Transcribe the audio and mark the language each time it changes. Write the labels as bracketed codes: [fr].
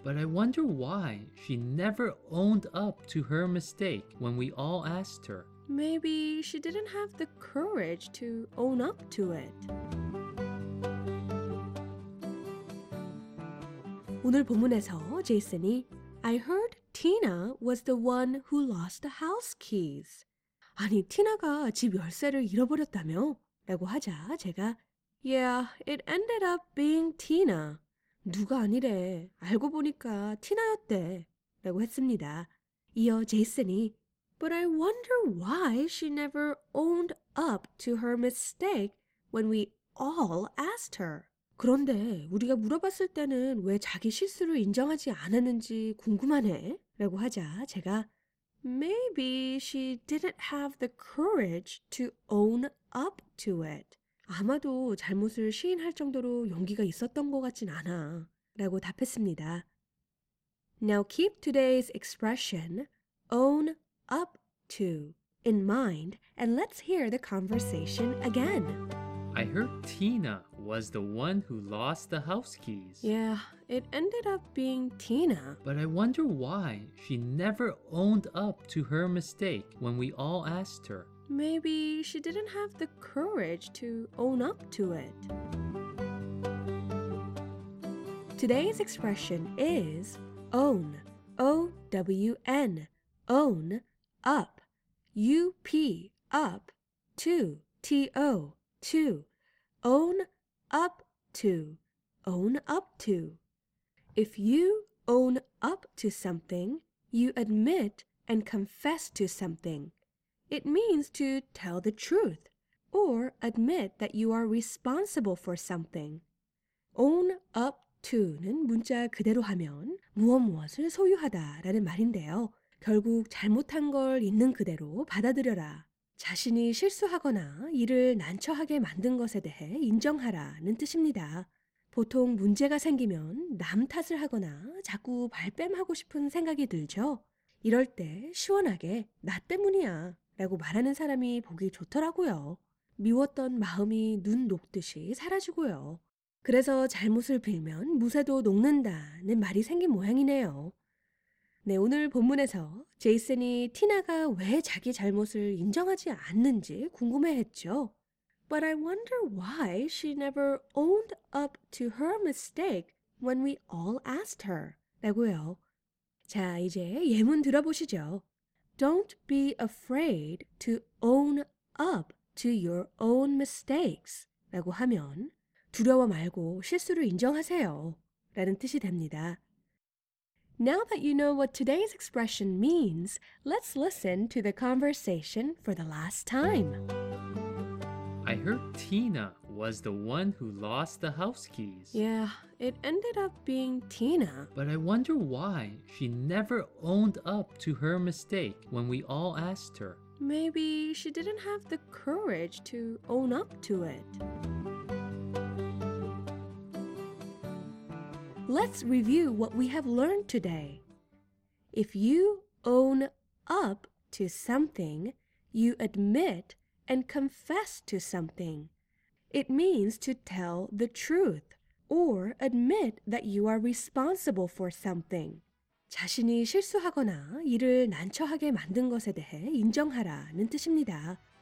[en] But I wonder why she never owned up to her mistake when we all asked her. Maybe she didn't have the courage to own up to it. [ko] 오늘 본문에서 제이슨이 [en] I heard Tina was the one who lost the house keys. [ko] 아니, 티나가 집 열쇠를 잃어버렸다며? 라고 하자 제가 [en] Yeah, it ended up being Tina. [ko] 누가 아니래. 알고 보니까 티나였대. 라고 했습니다. 이어 제이슨이 [en] But I wonder why she never owned up to her mistake when we all asked her. [ko] 그런데 우리가 물어봤을 때는 왜 자기 실수를 인정하지 않았는지 궁금하네. 라고 하자 제가 [en] Maybe she didn't have the courage to own up to it. [ko] 아마도 잘못을 시인할 정도로 용기가 있었던 것 같진 않아. 라고 답했습니다. [en] Now keep today's expression, own up to, in mind, and let's hear the conversation again. I heard Tina was the one who lost the house keys. Yeah, it ended up being Tina. But I wonder why she never owned up to her mistake when we all asked her. Maybe she didn't have the courage to own up to it. Today's expression is own, O-W-N, own, up, U-P, up, to, T-O, to, own up to, own up to. If you own up to something, you admit and confess to something. It means to tell the truth or admit that you are responsible for something. [ko] Own up to는 문자 그대로 하면 무엇 무엇을 소유하다라는 말인데요. 결국 잘못한 걸 있는 그대로 받아들여라. 자신이 실수하거나 일을 난처하게 만든 것에 대해 인정하라는 뜻입니다. 보통 문제가 생기면 남 탓을 하거나 자꾸 발뺌하고 싶은 생각이 들죠. 이럴 때 시원하게 나 때문이야 라고 말하는 사람이 보기 좋더라고요. 미웠던 마음이 눈 녹듯이 사라지고요. 그래서 잘못을 빌면 무쇠도 녹는다는 말이 생긴 모양이네요. 네, 오늘 본문에서 제이슨이 티나가 왜 자기 잘못을 인정하지 않는지 궁금해했죠. [en] But I wonder why she never owned up to her mistake when we all asked her. [ko] 라고요. 자, 이제 예문 들어보시죠. [en] Don't be afraid to own up to your own mistakes. [ko] 라고 하면 두려워 말고 실수를 인정하세요. 라는 뜻이 됩니다. [en] Now that you know what today's expression means, let's listen to the conversation for the last time. I heard Tina was the one who lost the house keys. Yeah, it ended up being Tina. But I wonder why she never owned up to her mistake when we all asked her. Maybe she didn't have the courage to own up to it. Let's review what we have learned today. If you own up to something, you admit and confess to something. It means to tell the truth or admit that you are responsible for something. [ko] 자신이 실수하거나 일을 난처하게 만든 것에 대해 인정하라는 뜻입니다.